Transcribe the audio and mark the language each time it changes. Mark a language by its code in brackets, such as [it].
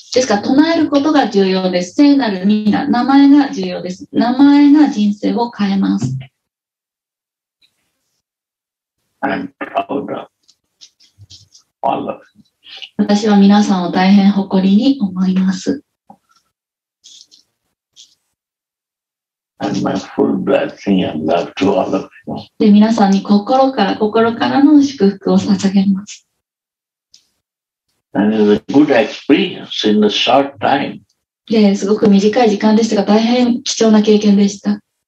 [ja] ですから、唱えることが重要です。聖なるミーナ、名前が重要です。名前が人生を変えます。 [en] I'm proud of all of you. [ja] 私は皆さんを大変誇りに思います。 [en] And my full blessing and love to all of you. [ja] で、皆さんに心から心からの祝福を捧げます。 [en] And it's a good experience in a short time. [ja] で、すごく短い時間でしたが、大変貴重な経験でした。